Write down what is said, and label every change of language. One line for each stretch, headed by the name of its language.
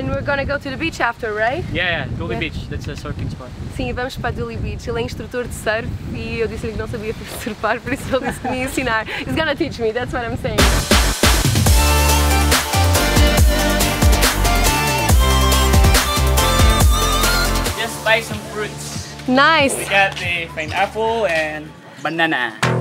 English: And we're gonna go to the beach after, right? Yeah, Dooley Beach, that's a surfing spot.
Portuguese: Sim, vamos para Dooley Beach. Ele é instrutor de surf e eu disse-lhe que não sabia surfar, por isso ele disse que me ia ensinar.
English: He's gonna teach me, that's what I'm saying. Just buy some fruits. Nice. We got the pineapple and banana.